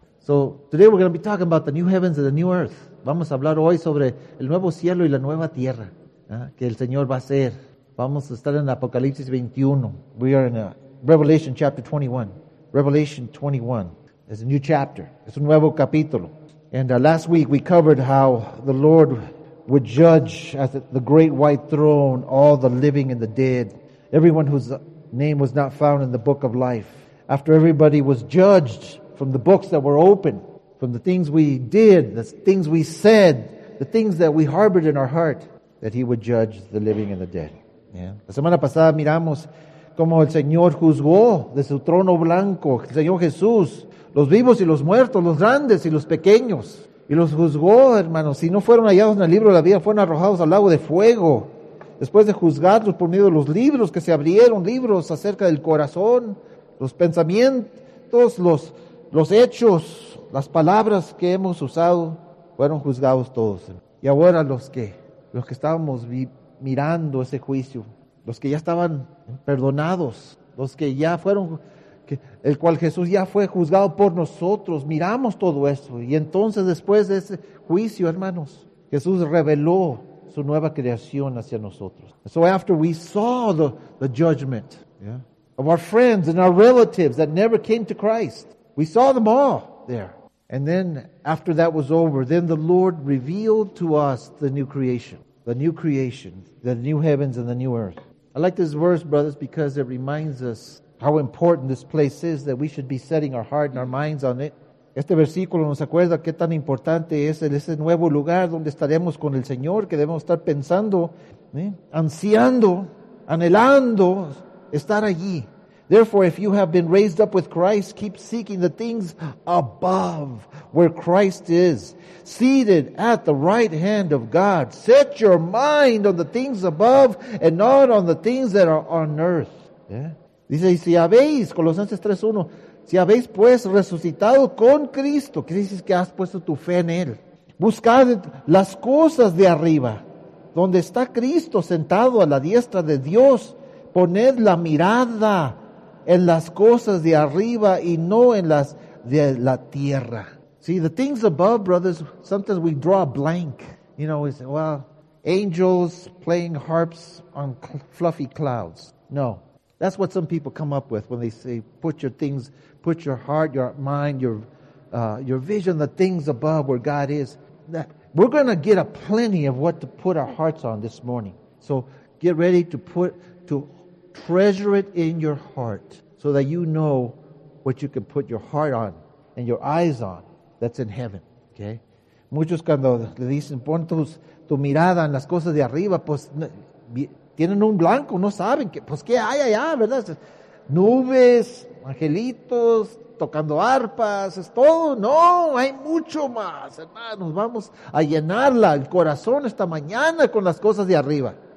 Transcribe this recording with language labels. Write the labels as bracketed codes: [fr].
[en] So today we're going to be talking about the new heavens and the new earth. [es] Vamos a hablar hoy sobre el nuevo cielo y la nueva tierra que el Señor va a hacer. Vamos a estar en Apocalipsis 21. [en] We are in Revelation chapter 21. Revelation 21 is a new chapter. [es] Es un nuevo capítulo. [en] And last week we covered how the Lord would judge at the great white throne all the living and the dead, everyone whose name was not found in the book of life. After everybody was judged from the books that were open, from the things we did, the things we said, the things that we harbored in our heart, that he would judge the living and the dead. Yeah. [es] La semana pasada miramos cómo el Señor juzgó de su trono blanco, el Señor Jesús, los vivos y los muertos, los grandes y los pequeños. Y los juzgó, hermanos, si no fueron hallados en el libro de la vida, fueron arrojados al lago de fuego. Después de juzgarlos por medio de los libros que se abrieron, libros acerca del corazón, los pensamientos, los hechos, las palabras que hemos usado, fueron juzgados todos. Y ahora los que estábamos mirando ese juicio, los que ya estaban perdonados, los que ya fueron, el cual Jesús ya fue juzgado por nosotros, miramos todo eso. Y entonces después de ese juicio, hermanos, Jesús reveló su nueva creación hacia nosotros. [en] So after we saw the judgment of our friends and our relatives that never came to Christ, we saw them all there. And then after that was over, then the Lord revealed to us the new creation. The new creation, the new heavens and the new earth. I like this verse, brothers, because it reminds us how important this place is, that we should be setting our heart and our minds on it. [es] Este versículo nos acuerda qué tan importante es ese nuevo lugar donde estaremos con el Señor, que debemos estar pensando, ansiando, anhelando estar allí. [en] Therefore, if you have been raised up with Christ, keep seeking the things above, where Christ is, seated at the right hand of God. Set your mind on the things above and not on the things that are on earth. Yeah. [es] Dice, y si habéis, Colosenses 3:1, si habéis pues resucitado con Cristo, que dices que has puesto tu fe en Él, buscad las cosas de arriba, donde está Cristo sentado a la diestra de Dios, poned la mirada en las cosas de arriba y no en las de la tierra. [en] See, the things above, brothers, sometimes we draw a blank. You know, we say, well, angels playing harps on fluffy clouds. No. That's what some people come up with when they say, put your heart, your mind, your vision, the things above where God is. That we're going to get a plenty of what to put our hearts on this morning. So get ready to treasure it in your heart so that you know what you can put your heart on and your eyes on that's in heaven. Okay? [es] Muchos cuando le dicen, pon tu mirada en las cosas de arriba, pues tienen un blanco, no saben que, pues qué hay allá, ¿verdad? Nubes, angelitos, tocando arpas, es todo. No, hay mucho más, hermanos. Vamos a llenarla el corazón esta mañana con las cosas de arriba.